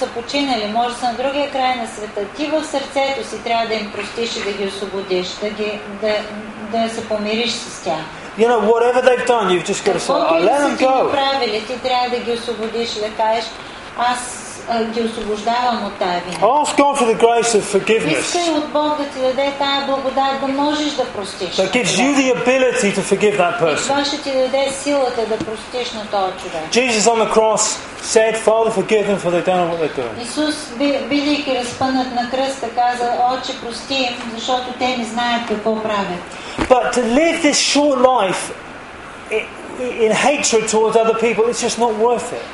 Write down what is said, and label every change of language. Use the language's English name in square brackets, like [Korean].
[Bulgarian] Или може са на другия край на света, ти в сърцето си трябва да им простиш и да ги освободиш, да се помириш с тях. [English] You know, whatever they've done, you've just got to say, let them go. [Bulgarian] Ти направили, ти трябва да ги освободиш, да кажеш, аз ги освобождавам от тая вина. [English] Ask God for the grace of forgiveness. [Bulgarian] Искай от Бог да ти даде тая благодат, да можеш да простиш. [English] That gives you the ability to forgive that person. [Bulgarian] И това ще ти даде силата да простиш на този човек. [English] Jesus on the cross said, Father, forgive them, for they don't know what they're doing. [Bulgarian] Исус, бидейки разпънат на кръста, каза, Отче, прости им, защото те не знаят какво правят. [English] But to live this short life in hatred towards other people, it's just not worth it.